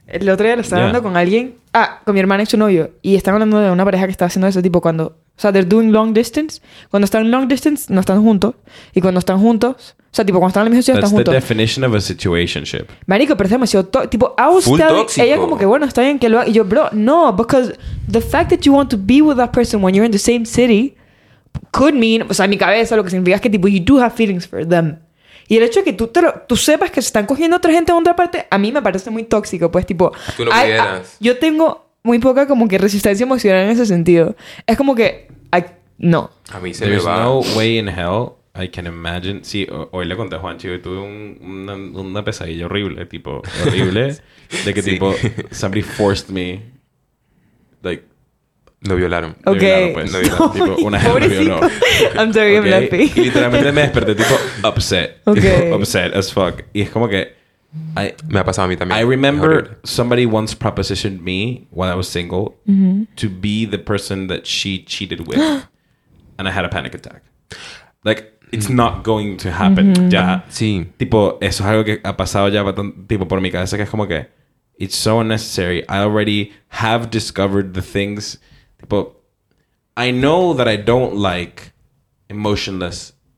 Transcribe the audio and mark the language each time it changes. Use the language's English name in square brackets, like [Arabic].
[Spanish] El otro día lo estaba hablando con alguien... Ah, con mi hermana y su novio. Y están hablando de una pareja que estaba haciendo eso, tipo cuando... O sea, [English] they're doing long distance. [Spanish] Cuando están long distance, no están juntos. Y cuando están juntos... O sea, tipo, cuando están en la misma ciudad, están juntos. [English] That's the definition of a situationship. [Spanish] Marico, pero es demasiado... Tipo, [English] I was full telling... [Spanish] Tóxico. Ella como que, bueno, está bien que lo haga. Y yo, bro, no. [English] Because the fact that you want to be with that person when you're in the same city could mean... [Spanish] O sea, en mi cabeza lo que significa es que, tipo, [English] you do have feelings for them. [Spanish] Y el hecho de que tú sepas que se están cogiendo otra gente en otra parte, a mí me parece muy tóxico. Pues, tipo... Tú lo pudieras. Yo tengo... Muy poca como que resistencia emocional en ese sentido. Es como que... No. A mí se [English] There's [Spanish] me va. [English] No way in hell I can imagine... [Spanish] Sí, hoy le conté a Juanchi y tuve una pesadilla horrible. Tipo, horrible. De que sí. Tipo, [English] somebody forced me... Like... [Spanish] Lo violaron. [English] Ok. [Spanish] Lo violaron. Tipo, una gente lo violó. [English] I'm sorry, okay. I'm happy. [Spanish] Y literalmente me desperté tipo upset. [English] Okay. [Spanish] Tipo, [English] upset as fuck. [Spanish] Y es como que... Me ha pasado a mí también. [English] I remember somebody once propositioned me when I was single to be the person that she cheated with. And I had a panic attack. Like, it's not going to happen. Mm-hmm. Ya. [Spanish] Sí. Tipo, eso es algo que ha pasado ya tipo por mi cabeza que es como que... [English] It's so unnecessary. I already have discovered the things. Tipo, I know that I don't like emotionless...